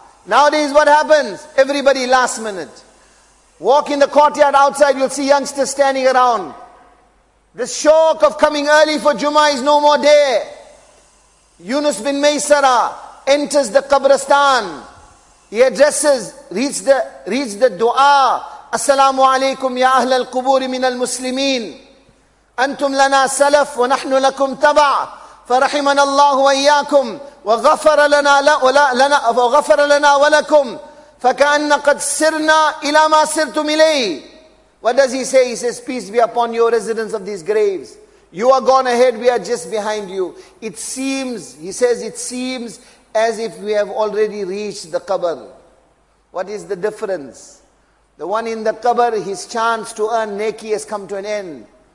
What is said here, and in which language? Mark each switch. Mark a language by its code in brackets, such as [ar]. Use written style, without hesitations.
[en] Nowadays what happens? Everybody last minute. Walk in the courtyard outside, you'll see youngsters standing around. The shock of coming early for Juma is no more there. Yunus bin Maysara enters the Qabristan. He addresses, reads the dua. [ar] Assalamu alaikum ya ahl al-kuburi min al-muslimin. أنتم لنا سلف ونحن لكم تبع فرحمنا الله وإياكم وغفر لنا لنا وغفر لنا ولكم فكأن قد سرنا إلى ما سرتم إليه. [en] What does he say? He says, peace be upon your residents of these graves. You are gone ahead, we are just behind you. It seems, he says, it seems as if we have already reached the qabr. What is the difference? The one in the qabr, his chance to earn neki has come to an end.